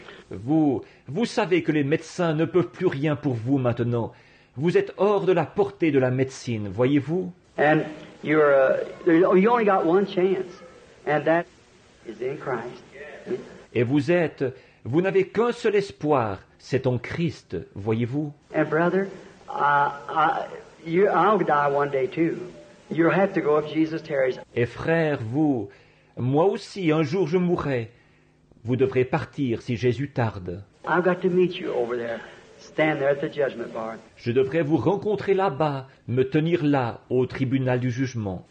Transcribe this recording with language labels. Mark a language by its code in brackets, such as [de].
[fr] Vous savez que les médecins ne peuvent plus rien pour vous maintenant. Vous êtes hors de la portée de la médecine, voyez-vous? [en] And you only got one chance, and that is in Christ. [fr] Et vous n'avez qu'un seul espoir, c'est en Christ, voyez-vous? [en] And brother, I'll die one day too. You'll have to go if Jesus tarries. [fr] Et frère, vous, moi aussi, un jour je mourrai. Vous devrez partir si Jésus tarde. [en] I've got to meet you over there. Stand there at the judgment bar. [fr] Je devrais vous rencontrer là-bas, me tenir là, au tribunal du jugement.